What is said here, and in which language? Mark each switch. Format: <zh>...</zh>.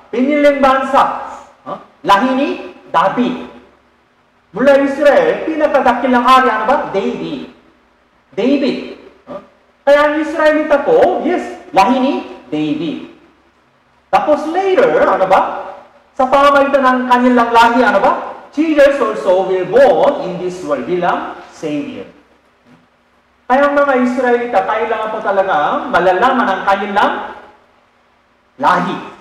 <tl>Piniling bansa. Lahi ni David. Mula Israel, pinakadakilang hari, ano ba? David. David. Kaya ang Israelita po, yes, lahi ni David. Tapos later, ano ba? Sa pamamagitan ng kanilang lahi, ano ba?</tl> <en>Jesus also will born in this world</en> <tl>bilang</tl> <en>Savior.</en> <tl>Kaya ang mga Israelita, kailangan po talaga malalaman ang kanilang lahi.</tl>